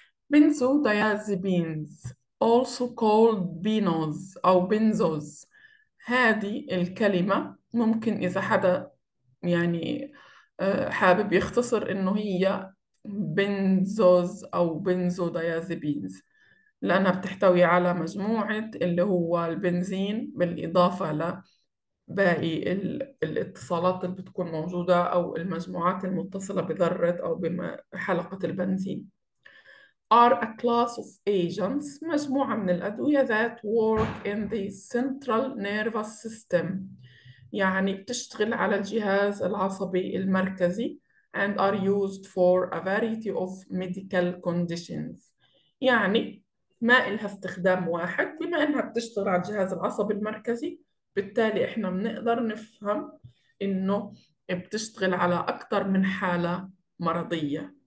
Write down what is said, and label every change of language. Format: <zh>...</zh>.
<ar>بنزو دايازبينز</ar> <en>also called</en> <ar>بينوز أو بنزوز، هذه الكلمة ممكن إذا حدا يعني حابب يختصر إنه هي بنزوز أو بنزو ديازيبينز، لأنها بتحتوي على مجموعة اللي هو البنزين بالإضافة لباقي الاتصالات اللي بتكون موجودة أو المجموعات المتصلة بذرة أو بحلقة البنزين.</ar> <en>are a class of agents،</en> <ar>مجموعة من الأدوية</ar> <en>that work in the central nervous system،</en> <ar>يعني بتشتغل على الجهاز العصبي المركزي.</ar> <en>and are used for a variety of medical conditions،</en> <ar>يعني ما إلها استخدام واحد، بما إنها بتشتغل على الجهاز العصبي المركزي بالتالي إحنا بنقدر نفهم إنه بتشتغل على أكثر من حالة مرضية.</ar>